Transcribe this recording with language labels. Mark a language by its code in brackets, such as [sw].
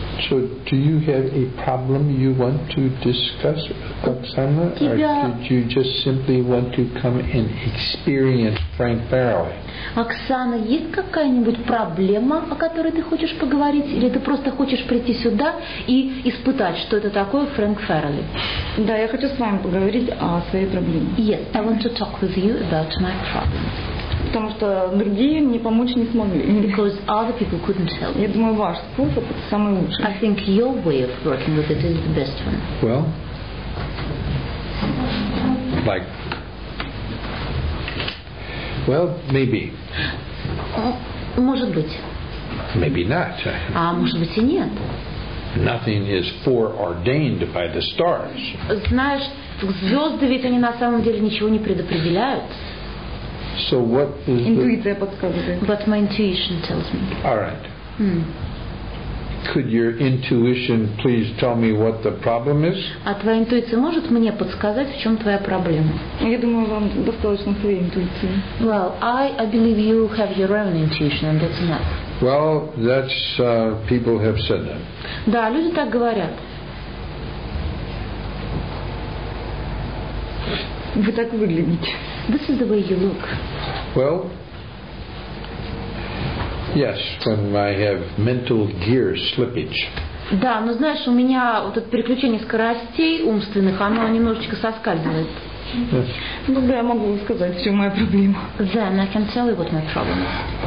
[en] So, do you have a problem you want to discuss, Оксана? [ru] Тебя... [en] Or did you just simply want to come and experience Frank Farrelly? [ru] Оксана, есть какая-нибудь проблема, о которой ты хочешь поговорить? Или ты просто хочешь прийти сюда и испытать, что это такое Фрэнк Фэрролли? Да, я хочу с вами поговорить о своей проблеме. [en] Yes, I want to talk with you about my problem. [ru] Тот потому что другие мне помочь не смогли. [en] Because other people couldn't help. [ru] Я думаю, ваш способ самый лучший. [en] I think your way of working with it is the best one. Well, like, well, maybe. [ru] Может быть. [en] Maybe not. [ru] А может быть и нет. [en] Nothing is foreordained by the stars. [ru] Знаешь, звезды ведь они на самом деле ничего не предопределяют. [en] So what is [ru] Intuitive подсказывает. [en] What my intuition tells me. All right. Could your intuition please tell me what the problem is? [ru] А твоя интуиция может мне подсказать, в чем твоя проблема? Я думаю, вам достаточно своей интуиции. [en] Well, I believe you have your own intuition, and that's enough. Well, that's people have said that. [ru] Да, люди так говорят. Вы так выглядите. [en] This is the way you look. Well, yes, when I have mental gear slippage. [ru] Да, но знаешь, у меня вот это переключение скоростей умственных, оно немножечко соскальзывает. Ну да, я могу сказать, в чем моя проблема. [en] Then I can tell you what my problem is.